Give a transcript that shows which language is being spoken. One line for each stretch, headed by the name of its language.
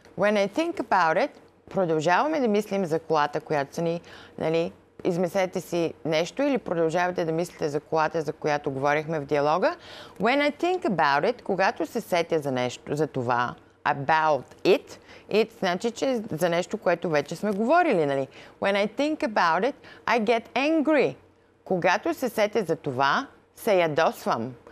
English: When I think about it,
Bulgarian: продължаваме да мислим за колата, която са ни, нали, измислете си нещо или продължавате да мислите за колата, за която говорихме в диалога.
English: When I think about it,
Bulgarian: когато се сетя за нещо, за това, about it, it значи, че за нещо, което вече сме говорили, нали?
English: When I think about it, I get angry.
Bulgarian: Когато се сетя за това, се ядосвам.